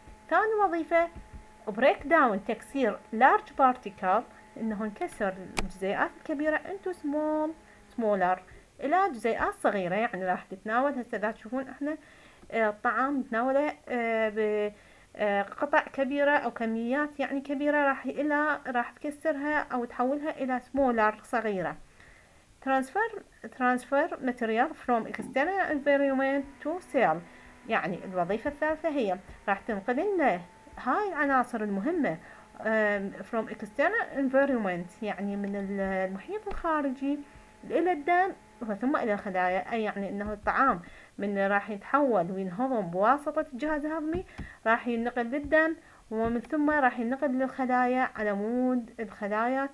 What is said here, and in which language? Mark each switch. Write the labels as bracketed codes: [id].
[ar] ثاني وظيفة [en] break down، [ar] تكسير [en] large particle [ar] إنه نكسر الجزيئات الكبيرة [en] into smaller [ar] إلى جزيئات صغيرة. يعني راح تتناول هسه إذا تشوفون إحنا الطعام نتناوله بقطع كبيرة أو كميات يعني كبيرة، راح تكسرها أو تحولها إلى [en] smaller [ar] صغيرة. [en] transfer material from external environment to cell. [ar] يعني الوظيفة الثالثة هي راح تنقل لنا هاي العناصر المهمة [en] from external environment [ar] يعني من المحيط الخارجي إلى الدم وثم إلى الخلايا. أي يعني إنه الطعام من راح يتحول وينهضم بواسطة الجهاز الهضمي راح ينقل للدم، ومن ثم راح ينقل للخلايا على مود الخلايا.